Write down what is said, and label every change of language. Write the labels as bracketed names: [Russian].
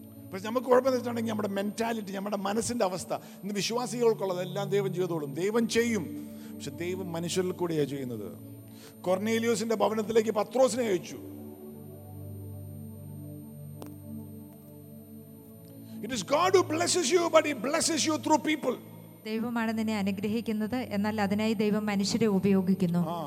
[Malayalam] പക്ഷെ നമുക്ക് കുഴപ്പം വെച്ചിട്ടുണ്ടെങ്കിൽ നമ്മുടെ മെന്റാലിറ്റി, നമ്മുടെ മനസ്സിന്റെ അവസ്ഥ. ഇന്ന് വിശ്വാസികൾക്കുള്ളത് എല്ലാം ദൈവം ചെയ്തോളും, ദൈവം ചെയ്യും, പക്ഷെ ദൈവം മനുഷ്യരിൽ കൂടെയാണ് ചെയ്യുന്നത്. കൊർനേലിയോസിന്റെ ഭവനത്തിലേക്ക് പത്രോസിനെ അയച്ചു. [English] It is God who blesses you, but he blesses you through people. [Malayalam] ദൈവമാണ് നിന്നെ അനുഗ്രഹിക്കുന്നത്, എന്നാൽ അതിനായി ദൈവം മനുഷ്യരെ ഉപയോഗിക്കുന്നു.